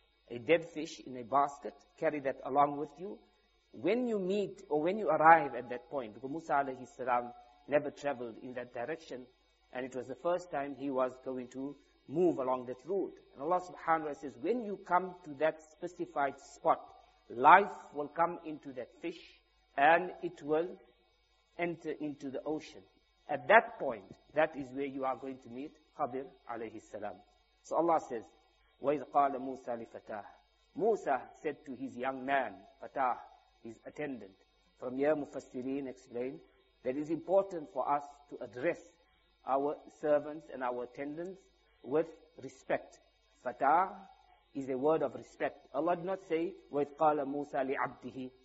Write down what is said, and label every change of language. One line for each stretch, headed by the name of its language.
English: A dead fish in a basket, carry that along with you. When you meet or when you arrive at that point, because Musa alayhi salam never traveled in that direction, and it was the first time he was going to move along that route. And Allah subhanahu wa ta'ala says, when you come to that specified spot, life will come into that fish and it will enter into the ocean. At that point, that is where you are going to meet Khadir alayhi salam. So Allah says,
Arabic: وَإِذْ قَالَ مُوسَى لِفَتَاهُ.
English: Musa said to his young man, Fatah, his attendant. From here, Mufassirin explained that it is important for us to address our servants and our attendants with respect. Fatah is a word of respect. Allah did not say,
Arabic: وَإِذْ قَالَ مُوسَى لِعَبْدِهِ.